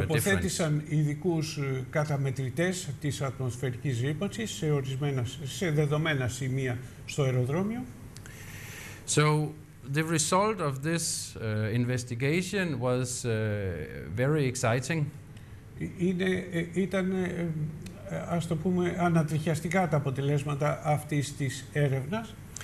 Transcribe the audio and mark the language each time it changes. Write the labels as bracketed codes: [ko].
[el] Τοποθέτησαν ειδικούς καταμετρητές της ατμοσφαιρικής ρήπανσης σε δεδομένα σημεία στο αεροδρόμιο. [en] So the result of this investigation was very exciting. [el] Ήταν, ας το πούμε, ανατριχιαστικά τα αποτελέσματα αυτής της έρευνας.